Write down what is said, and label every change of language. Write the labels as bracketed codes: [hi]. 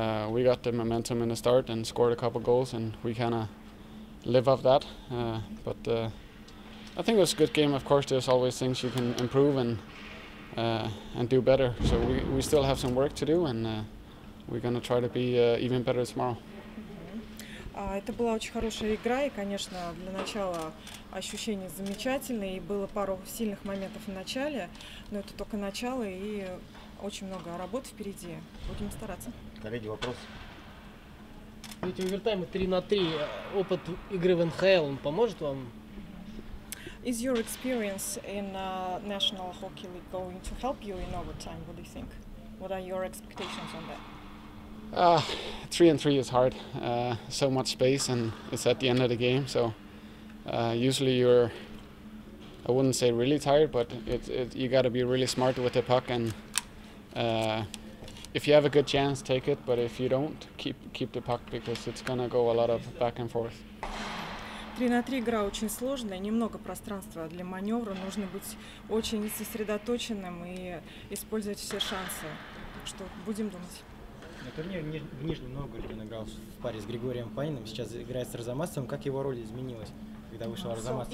[en] We got the momentum in the start and scored a couple goals, and we kind of live off that. But I think it was a good game. Of course, there's always things you can improve and do better. So we still have some work to do, and we're gonna try to be even better tomorrow. [ru] Это была очень хорошая игра, и, конечно, для начала ощущения замечательные, и было пару сильных моментов в начале, но это только начало, и очень много работ впереди. Будем стараться. Коллеги, вопрос. Эти овертаймы 3-3, опыт игры в НХЛ, он поможет вам? [en] Is your experience in National Hockey League going to help you in overtime, what do you think? What are your expectations on that? 3-3 is hard. So much space, and it's at the end of the game. So usually you're—I wouldn't say really tired, but it—you got to be really smart with the puck. And if you have a good chance, take it. But if you don't, keep the puck because it's gonna go a lot of back and forth. [ru] 3-3 игра очень сложная, немного пространства для маневра. Нужно быть очень сосредоточенным и использовать все шансы. Так что будем думать. На турнире в Нижнем Новгороде он играл в паре с Григорием Паниным, сейчас играет с Арзамасовым. Как его роль изменилась, когда вышел Арзамасов?